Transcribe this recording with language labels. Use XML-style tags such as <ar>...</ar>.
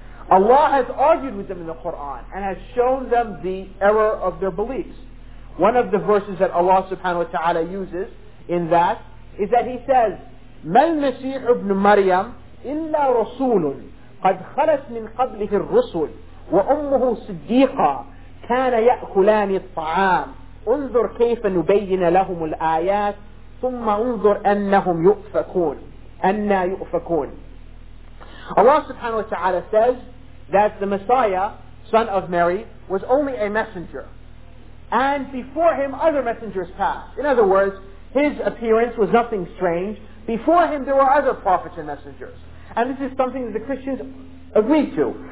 <en>Allah has argued with them in the Quran and has shown them the error of their beliefs. One of the verses that Allah subhanahu wa ta'ala uses in that is that he says,</en> <ar>مَنْ مَسِيحُ ابْنُ مَرْيَمْ إِلَّا رَسُولٌ قَدْ خَلَتْ مِنْ قَبْلِهِ الرُّسُولِ وَأُمُّهُ صِدِّيقًا كَانَ يَأْكُلَانِ الطَّعَامِ انظر كيف نبين لهم الآيات ثم انظر أنهم يؤفكون أَنَّا يُؤْفَكُونَ.</ar> <en>Allah subhanahu wa ta'ala says that the Messiah, son of Mary, was only a messenger. And before him, other messengers passed. In other words, his appearance was nothing strange. Before him, there were other prophets and messengers. And this is something that the Christians agree to.</en>